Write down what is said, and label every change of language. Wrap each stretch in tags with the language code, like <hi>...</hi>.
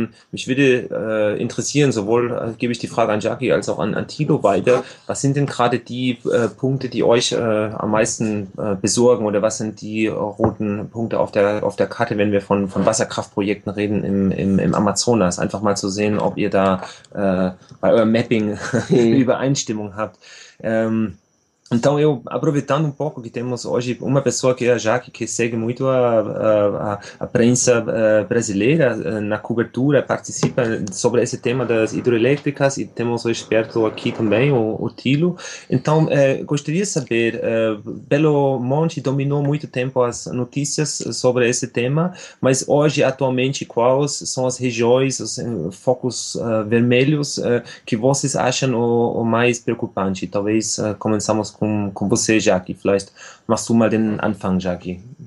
<de>Mich würde interessieren, sowohl gebe ich die Frage an Jackie als auch an Tilo weiter, was sind denn gerade die Punkte, die euch am meisten besorgen oder was sind die roten Punkte auf der Karte, wenn wir von Wasserkraftprojekten reden im Amazonas? Einfach mal zu sehen, ob ihr da bei eurem Mapping Übereinstimmung habt.</de> <pt>Então, eu aproveitando um pouco que temos hoje uma pessoa que é a Jaque, que segue muito a prensa brasileira na cobertura, participa sobre esse tema das hidrelétricas, e temos o experto aqui também, o Tilo. Então, gostaria de saber, Belo Monte dominou muito tempo as notícias sobre esse tema, mas hoje, atualmente, quais são as regiões, os focos vermelhos que vocês acham o mais preocupante? Talvez começamos com você, Jaque.</pt> <de>Vielleicht machst du mal den Anfang, Jaque.</de>